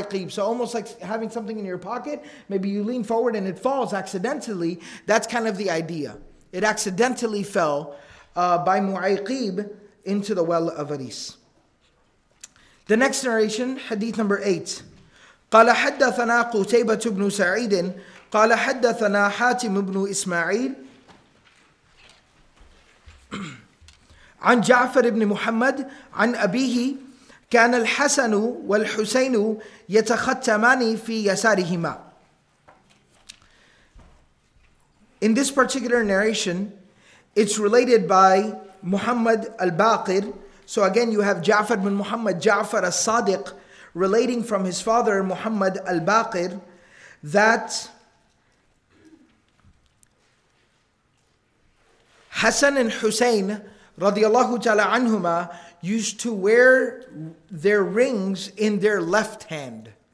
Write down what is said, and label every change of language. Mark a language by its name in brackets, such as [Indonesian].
[English] So almost like having something in your pocket, maybe you lean forward and it falls accidentally. That's kind of the idea. It accidentally fell by Mu'ayqib into the well of Aris. The next narration, hadith number 8. [Arabic] قال حدثنا قتيبة بن سعيد قال حدثنا حاتم بن إسماعيل عن جعفر بن محمد عن أبيه كان الحسن والحسين يتختمان في يسارهما. [English] In this particular narration, it's related by Muhammad al-Baqir. So again, you have Ja'far bin Muhammad, Ja'far al-Sadiq, relating from his father, Muhammad al-Baqir, that Hassan and Hussein, radiallahu ta'ala anhuma, used to wear their rings in their left hand.